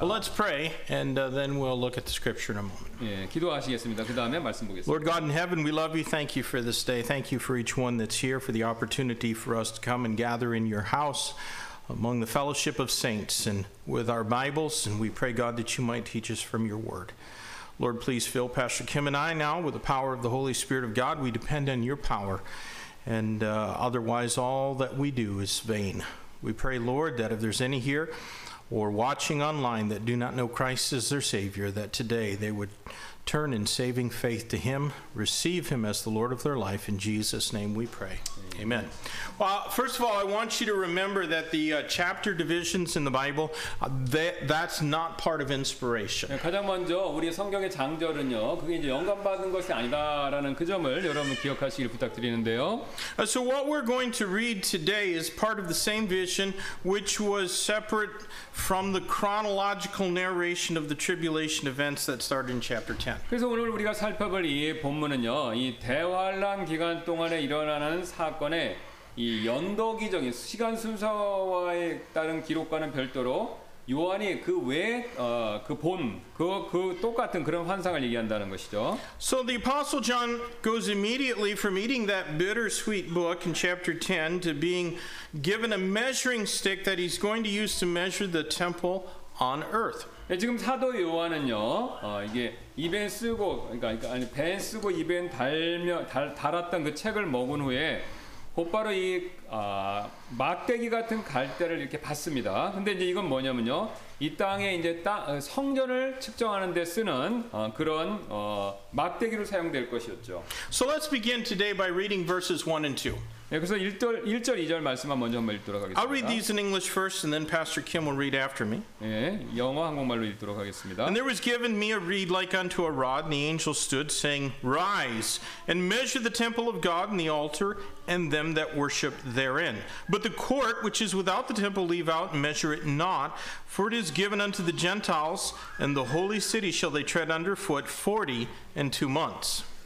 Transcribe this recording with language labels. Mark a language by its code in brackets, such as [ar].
[en] Well, let's pray and then we'll look at the scripture in a moment. [ko] 예, 기도하시겠습니다. 그다음에 말씀 보겠습니다. [en] Lord God in heaven, we love you. Thank you for this day. Thank you for each one that's here for the opportunity for us to come and gather in your house among the fellowship of saints and with our Bibles and we pray God that you might teach us from your word. Lord, please fill Pastor Kim and I now with the power of the Holy Spirit of God. We depend on your power, and otherwise all that we do is vain. We pray, Lord, that if there's any here or watching online that do not know Christ as their Savior, that today they would turn in saving faith to him, receive him as the Lord of their life. In Jesus' name we pray. Amen. Well, first of all, I want you to remember that the chapter divisions in the Bible, that's not part of inspiration. [ko] 가장 먼저 우리 성경의 장절은요, 그게 이제 영감 받은 것이 아니다라는 그 점을 여러분 기억하시길 부탁드리는데요. [en] So what we're going to read today is part of the same vision, which was separate from the chronological narration of the tribulation events that started in chapter 10. [ko] 그래서 오늘 우리가 살펴볼 이 본문은요, 이 대환란 기간 동안에 일어나는 사건의 이 연도기적인 시간 순서와에 따른 기록과는 별도로 요한이 그 외 그 본 그 똑같은 그런 환상을 얘기한다는 것이죠. [en] So the Apostle John goes immediately from eating that bittersweet book in chapter 10 to being given a measuring stick that he's going to use to measure the temple on earth. [ko] 지금 사도 요한은요, 이게 입엔 쓰고 그러니까 아니 벤 쓰고 입엔 달며 달았던 그 책을 먹은 후에 곧바로 이 막대기 같은 갈대를 이렇게 봤습니다. 근데 이제 이건 뭐냐면요, 이 땅에 이제 성전을 측정하는 데 쓰는 그런 막대기로 사용될 것이었죠. [en] So let's begin today by reading verses 1 and 2. [ko] 예, 그래서 1절 2절 말씀만 먼저 한번 읽도록 하겠습니다. [en] I'll read these in English first and then Pastor Kim will read after me. [ko] 예, 영어 한국말로 읽도록 하겠습니다. [en] And there was given me a reed like unto a rod, and the angel stood, saying, Rise, and measure the temple of God and the altar, and them that worship therein. But the court which is without the temple leave out, and measure it not, for it is given unto the Gentiles, and the holy city shall they tread under foot 42 months.